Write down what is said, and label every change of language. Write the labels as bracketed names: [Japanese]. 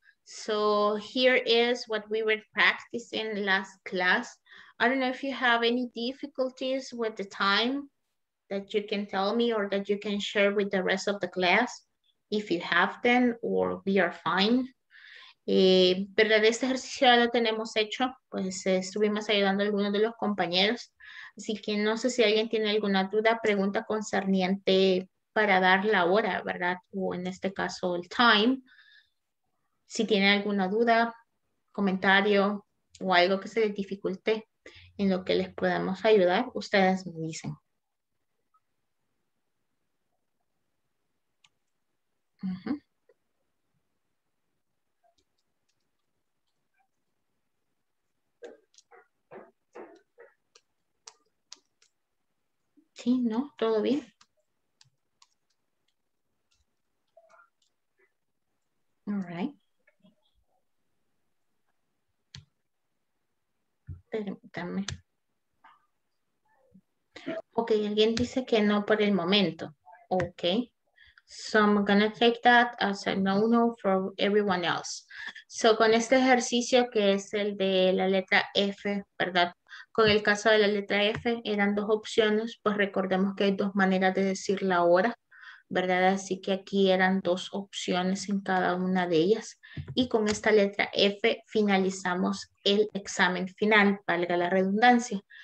[English] So here is what we were practicing last class. I don't know if you have any difficulties with the time that you can tell me or that you can share with the rest of the class, if you have them, or we are fine. [Spanish] Pero de este ejercicio ya lo tenemos hecho, pues estuvimos ayudando a algunos de los compañeros. Así que no sé si alguien tiene alguna duda, pregunta concerniente para dar la hora, ¿verdad? O en este caso, el time. Si tiene alguna duda, comentario o algo que se les dificulte en lo que les podamos ayudar, ustedes me dicen. Sí, ¿no? ¿Todo bien? [English] All right. [Spanish] Permítanme. Ok, alguien dice que no por el momento. Ok. [English] So I'm gonna take that as a no-no for everyone else. [Spanish] So con este ejercicio que es el de la letra F, ¿verdad? Con el caso de la letra F, eran dos opciones, pues recordemos que hay dos maneras de decir la hora, ¿verdad? Así que aquí eran dos opciones en cada una de ellas. Y con esta letra F finalizamos el examen final, valga la redundancia.